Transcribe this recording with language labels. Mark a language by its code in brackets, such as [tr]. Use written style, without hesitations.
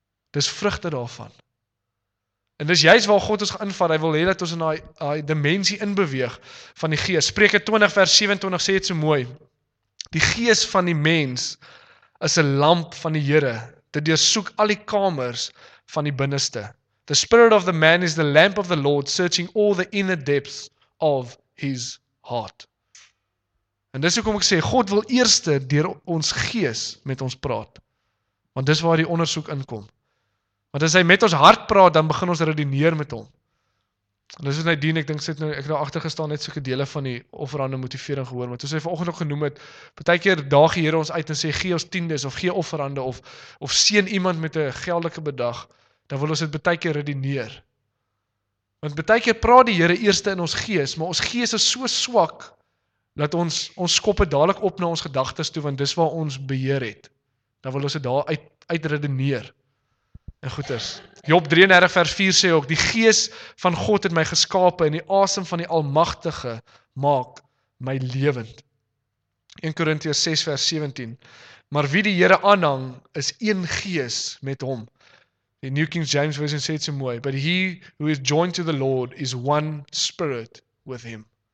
[af] Dis vrugte daarvan. En dis juist waar God ons invat. Hy wil hê dat ons in daai dimensie inbeweeg van die gees. Spreuke 20 vers 27 sê dit so mooi. Die gees van die mens is 'n lamp van die Here. Dit deursoek al die kamers van die binneste. [en] The spirit of the man is the lamp of the Lord, searching all the inner depths of his heart. [af] En dis hoekom ek sê God wil eerste deur ons gees met ons praat. Want dis waar die ondersoek inkom. Want as hy met ons hart praat, dan begin ons redeneer met hom. En dis wat hy doen, ek dink sit nou ek daar agter gestaan net soeke dele van die offerande motivering gehoor, want hy vanoggend ook genoem het, partykeer daag die Here ons uit en sê gee ons tiendes of gee offerande of seën iemand met 'n geldelike bedrag, dan wil ons dit partykeer redeneer. Want partykeer praat die Here eerste in ons gees, maar ons gees is so swak dat ons skop dit dadelik op na ons gedagtes toe, want dis waar ons beheer het. Dan wil ons dit daar uit redeneer. En goeders. Job 33 vers 4 sê ook, die gees van God het my geskape en die asem van die Almagtige maak my lewend. 1 Korintiërs 6 vers 17. Maar wie die Here aanhang, is een gees met hom. Die New King James Version sê dit so mooi, [en] but he who is joined to the Lord is one spirit with him.